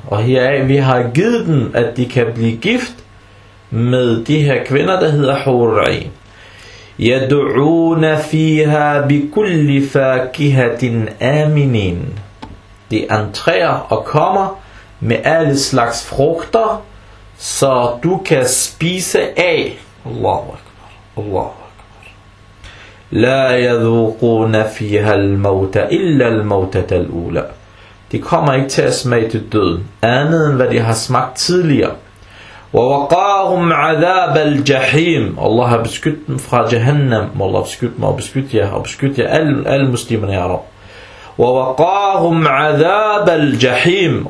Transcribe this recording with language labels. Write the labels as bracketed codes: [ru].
[da] Og heraf, vi har givet dem, at de kan blive gift med de her kvinder, der hedder Hur al-Ayn. [ar] يَدْعُونَ فِيهَا بِكُلِّ فَاكِهَةٍ آمِنٍ. [da] De entrerer og kommer med alle slags frugter, så du kan spise af. [ar] Allahu Akbar. Allahu. لا يذوقون فيها الموت إلا الموتة الأولى. [da] De kommer ikke til at smage til døden andet end hvad de har smagt tidligere. [ar] ووقاهم عذاب الجحيم. [da] Allah har beskyttet dem fra Jahannam. Må Allah beskytte mig og beskytte jer og beskytte jer alle muslimerne i Arab. [ar] ووقاهم عذاب الجحيم.